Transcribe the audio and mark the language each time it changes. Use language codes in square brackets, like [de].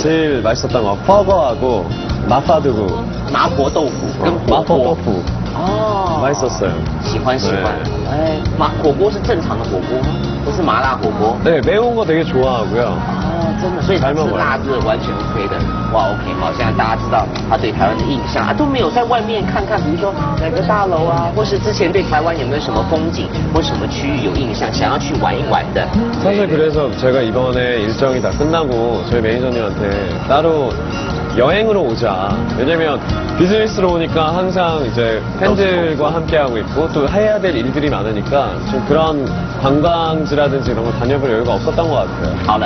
[ko] 제일 맛있었던 거 버거하고 마파두부 [zh] 麻婆豆腐跟麻婆豆腐。哦， [ko] 맛있었어요 [zh] 喜欢喜欢哎麻火锅是正常的火锅吗不是麻辣火锅对 [ko] 매운 거 되게 좋아하고요 [zh] 真的所以是辣是完全亏的哇 OK 好现在大家知道他对台湾的印象啊都没有在外面看看比如说哪个大楼啊或是之前对台湾有没有什么风景或什么区域有印象想要去玩一玩的 [ko] 사실 그래서 제가 이번에 일정이 다 끝나고 저희 매니저님한테 따로 여행으로 오자 왜냐면 비즈니스로 오니까 항상 이제 팬들과 함께하고 있고 또 해야 될 일들이 많으니까 좀 그런 관광지라든지 이런 거 다녀볼 여유가 없었던 것 같아요.